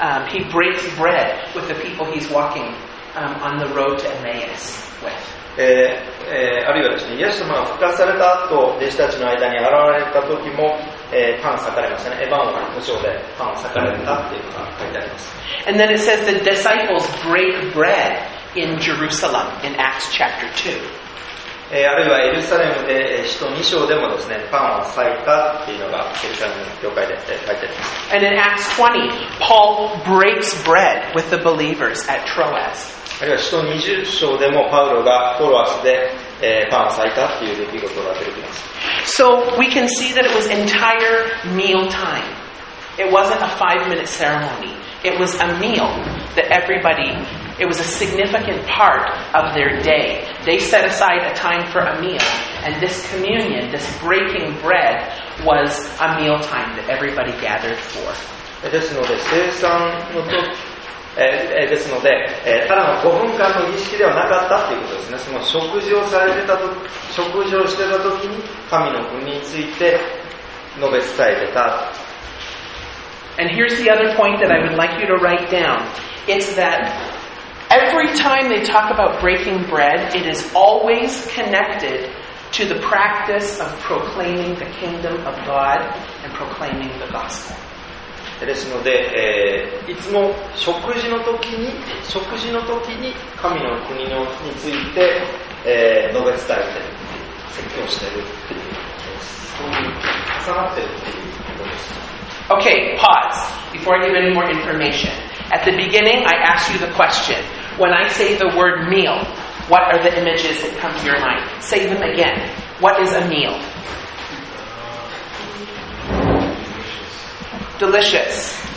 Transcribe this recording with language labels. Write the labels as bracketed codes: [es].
[en] He breaks bread with the people he's walking on the road to Emmaus with. [ja] あるいはですね、イエス様が復活された後、弟子たちの間に現れた時も、パンを裂かれましたね。エヴァンの途上でパンを裂かれたっていうのが書いてあります。 [en] And then it says the disciples break bread in Jerusalem in Acts chapter 2. [ja] あるいはエルサレムで使徒2章でもですね、パンを裂いたっていうのがエルサレムの教会で書いてあります。 [en] And in Acts 20, Paul breaks bread with the believers at Troas. [ja] あるいは使徒20章でもパウロがトロアスで、パンを裂いたっていう出来事が出てきます。 [en] So we can see that it was entire meal time. It wasn't a 5-minute ceremony. It was a meal that everybodyIt was a significant part of their day. They set aside a time for a meal, and this communion, this breaking bread, was a meal time that everybody gathered for. [ja] ですので、生産の時、ですので、ただの5分間の儀式ではなかったということですね。その食事をされてた時、食事をしてた時に神の国について述べ伝えてた。 [en] And here's the other point that I would like you to write down. It's thatEvery time they talk about breaking bread, it is always connected to the practice of proclaiming the kingdom of God and proclaiming the gospel. [ja] ですので、いつも食事の時に、食事の時に神の国のについて、述べ伝えて、説教しているっていう、そういう、重なってるっていうことです。 [en] Okay, pause. Before I give any more information. At the beginning, I asked you the question. When I say the word meal, what are the images that come to your mind? Say them again. What is a meal? Delicious.